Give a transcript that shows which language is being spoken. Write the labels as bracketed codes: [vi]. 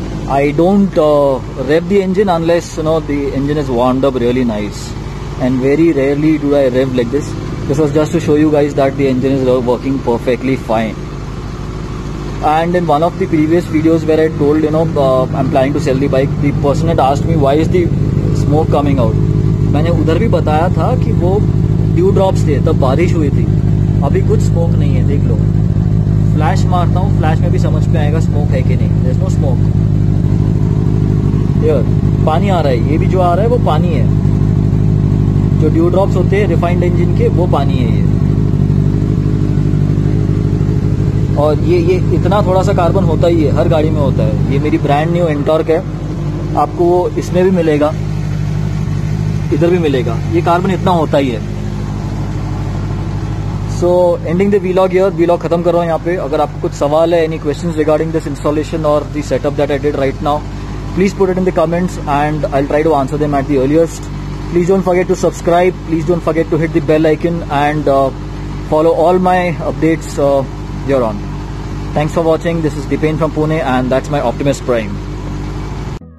[en] I don't rev the engine unless, you know, the engine is warmed up really nice. And very rarely do I rev like this. This was just to show you guys that the engine is working perfectly fine. And in one of the previous videos where I told, you know, I'm planning to sell the bike, the person had asked me why is the smoke coming out. [hi] मैंने उधर भी बताया था कि वो dew drops थे, तब बारिश हुई थी. अभी कुछ smoke नहीं है, देख लो. Flash मारता हूँ, flash में भी समझ में आएगा smoke है कि नहीं. There's no smoke. Here, पानी आ रहा है. ये भी जो आ रहा है वो पानी है. जो dew drops होते हैं refined engine के, वो पानी है ये. और ये इतना थोड़ा सा कार्बन होता ही है, हर गाड़ी में होता है. ये मेरी ब्रांड न्यू एंटॉर्क है, आपको वो इसमें भी मिलेगा, इधर भी मिलेगा. ये कार्बन इतना होता ही है. [en] so ending the vlog here, [hi] vlog खत्म कर रहा हूँ यहाँ पे. [en] अगर आपको कुछ सवाल है, any questions regarding this installation और the setup that I did right now, please put it in the comments and I will try to answer them at the earliest. Please don't forget to subscribe, please don't forget to hit the bell icon and follow all my updates. You're on. Thanks for watching. This is Dipen from Pune, and that's my Optimus Prime.